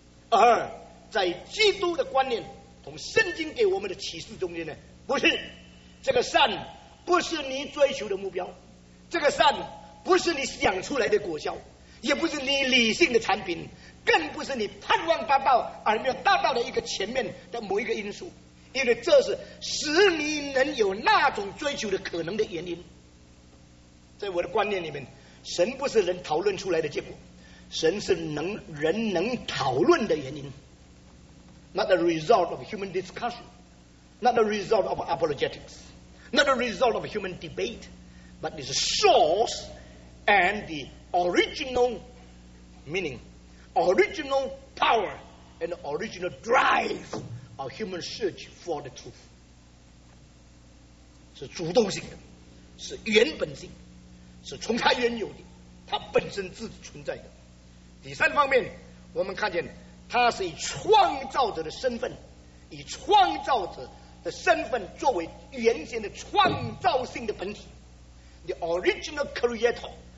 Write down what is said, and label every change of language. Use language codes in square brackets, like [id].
[zh] 而在基督的观念同圣经给我们的启示中间呢，不是，这个善不是你追求的目标，这个善不是你想出来的果效，也不是你理性的产品，更不是你盼望达到而没有达到的一个前面的某一个因素，因为这是使你能有那种追求的可能的原因。在我的观念里面，神不是人讨论出来的结果，神是能人能讨论的原因。 [en] Not the result of human discussion, not the result of apologetics, not the result of human debate, but it's a source and the original meaning, original power and original drive of human search for the truth. [zh] 是主动性的，是原本性，是从它原有的，它本身自己存在的。第三方面，我们看见它是以创造者的身份，以创造者的身份作为原先的创造性的本体， [en] the original creator.